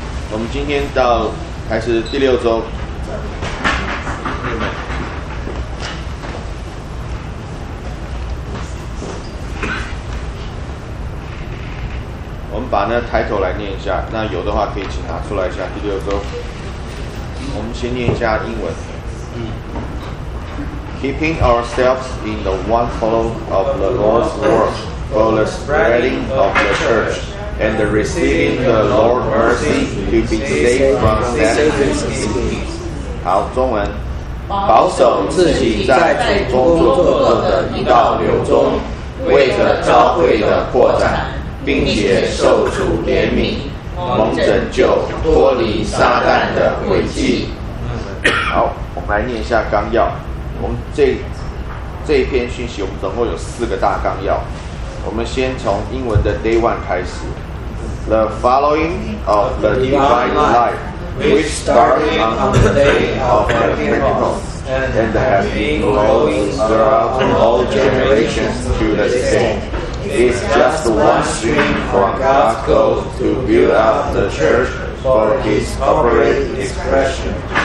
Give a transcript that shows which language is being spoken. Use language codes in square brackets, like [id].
[zh] 我们今天到开始第六周，我们把那抬头来念一下，那有的话可以请拿出来一下。第六周我们先念一下英文。 [en] Keeping ourselves in the one follow of the Lord's word for the spreading of the churchAnd the receiving the Lord's mercy to be saved from death. [zh] 好，中文。保守自己在主中做恶的一道流中，为着召会的扩展，并且受主怜悯，蒙拯救，脱离撒旦的诡计。好，我们来念一下纲要。我们这一篇讯息，我们总共有四个大纲要。我们先从英文的 Day One 开始。 [en] The following of the divine life, which started on the day of Pentecost and has been growing throughout all generations to this day, is just one stream from God's goal to build up the church for His corporate expression.